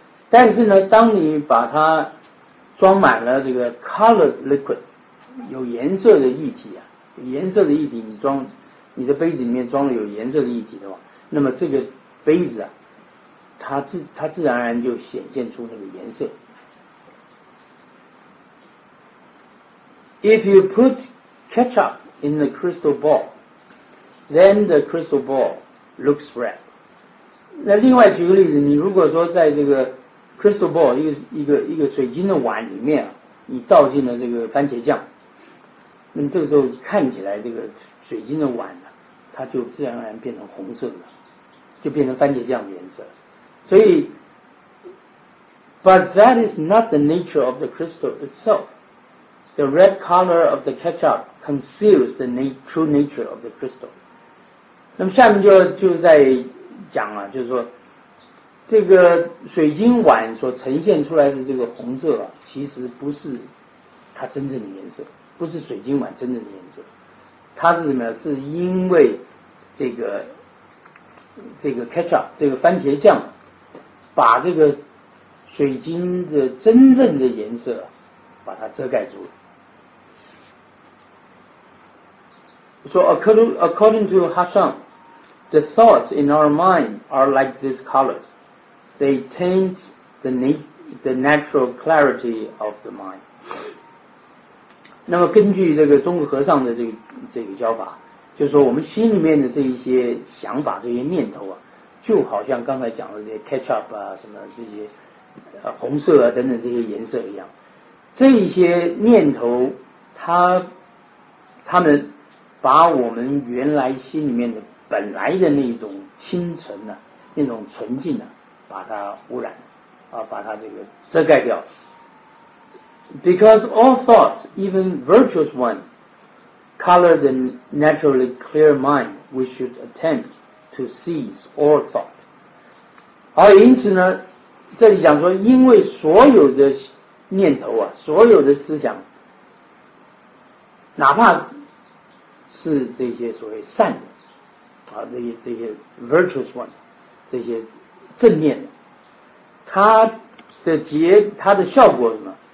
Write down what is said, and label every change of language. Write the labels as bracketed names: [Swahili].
[Chinese] 但是呢当你把它装满了这个 [English] colored liquid, [Chinese] 有颜色的液体啊，颜色的液体，你装你的杯子里面装了有颜色的液体的话，那么这个杯子啊，它自然而然就显现出那个颜色。 [English] If you put ketchup in the crystal ball, then the crystal ball looks red. [Chinese] 那另外举个例子，你如果说在这个 [English] crystal ball [Chinese] 一个水晶的碗里面、啊、你倒进了这个番茄酱，那么这个时候看起来这个水晶的碗、啊、它就自然而然变成红色的，就变成番茄酱的颜色。所以 [English] But that is not the nature of the crystal itself. The red color of the ketchup conceals the true nature of the crystal. [Chinese] 那么下面就在讲啊，就是说这个水晶碗所呈现出来的这个红色啊，其实不是它真正的颜色，不是水晶碗真正的颜色，它是什么？是因为这个 ketchup 这个番茄酱把这个水晶的真正的颜色、啊、把它遮盖住了。 [English] So according to Hashan, the thoughts in our mind are like these colors. They taint the natural clarity of the mind. [Chinese] 那么根据这个中国和尚的这个教法，就是说我们心里面的这一些想法、这些念头啊，就好像刚才讲的这些 ketchup 啊、什么这些、红色啊等等这些颜色一样，这一些念头，他们把我们原来心里面的本来的那种清纯呢、啊、那种纯净呢、啊。把它污染、啊、把它这个遮盖掉。 [English] Because all thoughts, even virtuous ones, color the naturally clear mind, we should attempt to seize all thought. [Chinese] 而因此呢，这里讲说因为所有的念头啊，所有的思想，哪怕是这些所谓善人啊，这些 [English] virtuous ones， [Chinese] 这些正念的，它的结，它的效果什么？